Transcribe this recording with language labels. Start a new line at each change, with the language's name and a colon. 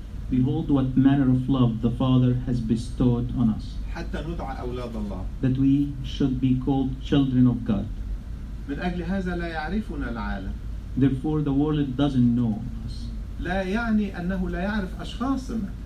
English: Behold what manner of love the Father has bestowed on us.
Arabic: حتى ندعى أولاد الله.
English: That we should be called children of God.
Arabic: من أجل هذا لا يعرفنا العالم.
English: Therefore the world doesn't know us.
Arabic: لا يعني أنه لا يعرف أشخاصنا.